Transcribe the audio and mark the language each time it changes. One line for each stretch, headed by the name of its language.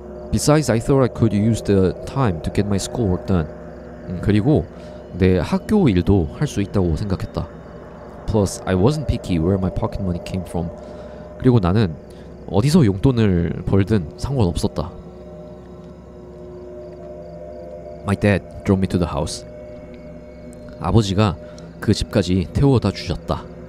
English: Besides, I thought I could use the time to get my schoolwork done.
Korean: 그리고 내 학교 일도 할 수 있다고 생각했다.
English: Plus, I wasn't picky where my pocket money came from.
Korean: 그리고 나는 어디서 용돈을 벌든 상관없었다.
English: My dad drove me to the house.
Korean: 아버지가 그 집까지 태워다 주셨다.